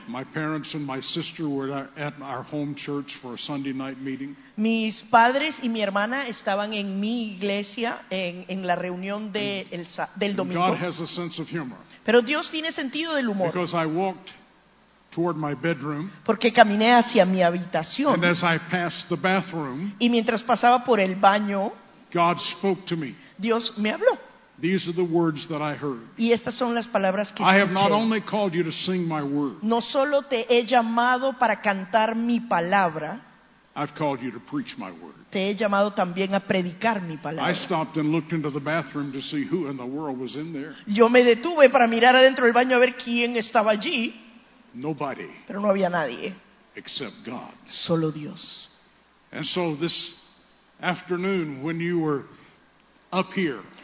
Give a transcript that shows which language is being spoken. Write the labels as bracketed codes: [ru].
[en] My parents and my sister were at our home church for a Sunday night meeting. [es] Mis padres y mi hermana estaban en mi iglesia en la reunión del domingo. [en] God has a sense of humor. [es] Pero Dios tiene sentido del humor. [en] Because I walked toward my bedroom. [es] Porque caminé hacia mi habitación. [en] And as I passed the bathroom. [es] Y mientras pasaba por el baño. [en] God spoke to me. [es] Dios me habló. [en] These are the words that I heard. [es] Y estas son las palabras que escuché. [en] I have not only called you to sing my word. [es] No solo te he llamado para cantar mi palabra. [en] I've called you to preach my word. [es] Te he llamado también a predicar mi palabra. [en] I stopped and looked into the bathroom to see who in the world was in there. [es] Yo me detuve para mirar adentro del baño a ver quién estaba allí. [en] Nobody. [es] Pero no había nadie. [en] Except God. [es] Solo Dios. [en] And so this afternoon when you were up here.